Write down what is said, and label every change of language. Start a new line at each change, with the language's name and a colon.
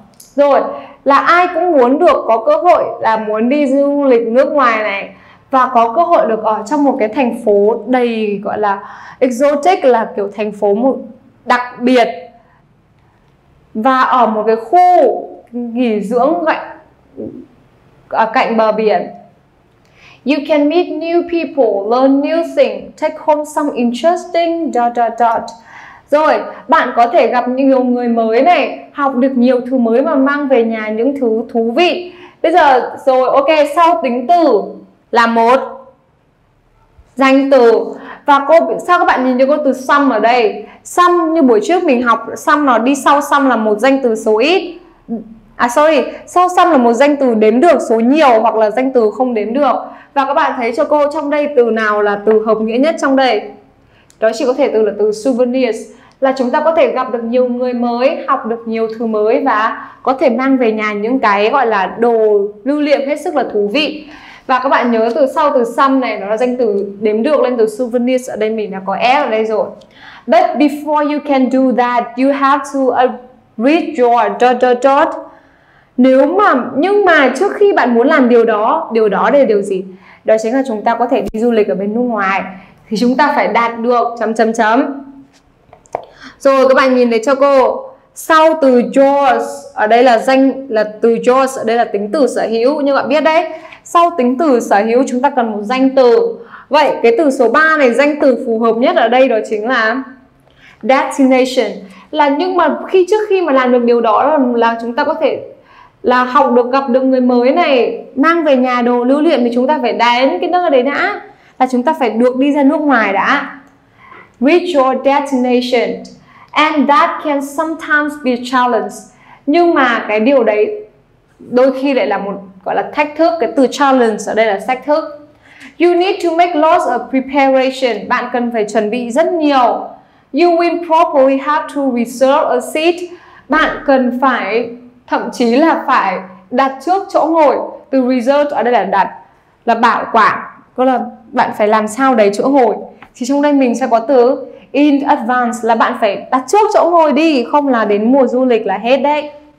Vietnamese: Rồi, là ai cũng muốn được có cơ hội là muốn đi du lịch nước ngoài này và có cơ hội được ở trong một cái thành phố đầy gọi là exotic, là kiểu thành phố một đặc biệt và ở một cái khu nghỉ dưỡng cạnh bờ biển.
English: You can meet new people, learn new things, take home some interesting dot dot dot.
Vietnamese: Rồi, bạn có thể gặp nhiều người mới này, học được nhiều thứ mới mà mang về nhà những thứ thú vị. Bây giờ, rồi, ok, sau tính từ là một danh từ. Và cô sao các bạn nhìn thấy cô từ some ở đây? Some như buổi trước mình học, some nó đi sau some là một danh từ số ít. À sorry, sau some là một danh từ đếm được số nhiều hoặc là danh từ không đếm được. Và các bạn thấy cho cô trong đây từ nào là từ hợp nghĩa nhất trong đây? Đó chỉ có thể từ là từ souvenirs, là chúng ta có thể gặp được nhiều người mới, học được nhiều thứ mới và có thể mang về nhà những cái gọi là đồ lưu niệm hết sức là thú vị. Và các bạn nhớ từ sau từ some này nó là danh từ đếm được lên từ souvenirs, ở đây mình đã có s ở đây rồi.
English: But before you can do that, you have to read your dot dot dot.
Vietnamese: Nếu mà nhưng mà trước khi bạn muốn làm điều đó là điều gì? Đó chính là chúng ta có thể đi du lịch ở bên nước ngoài. Thì chúng ta phải đạt được chấm chấm chấm. Rồi các bạn nhìn thấy cho cô, sau từ yours ở đây là danh, là từ yours ở đây là tính từ sở hữu. Như bạn biết đấy, sau tính từ sở hữu chúng ta cần một danh từ. Vậy cái từ số 3 này, danh từ phù hợp nhất ở đây đó chính là destination. Là nhưng mà khi trước khi mà làm được điều đó là chúng ta có thể là học được, gặp được người mới này, mang về nhà đồ lưu niệm, thì chúng ta phải đến cái nơi đấy đã, là chúng ta phải được đi ra nước ngoài đã.
English: Reach your destination. And that can sometimes be challenged.
Vietnamese: Nhưng mà cái điều đấy đôi khi lại là một gọi là thách thức. Cái từ challenge ở đây là thách thức.
English: You need to make lots of preparation.
Vietnamese: Bạn cần phải chuẩn bị rất nhiều.
English: You will probably have to reserve a seat.
Vietnamese: Bạn cần phải, thậm chí là phải đặt trước chỗ ngồi. Từ reserve ở đây là đặt, là bảo quản. Có là bạn phải làm sao đấy chỗ ngồi. Thì trong đây mình sẽ có từ in advance, là bạn phải đặt trước chỗ ngồi đi, không là đến mùa du lịch là hết đấy.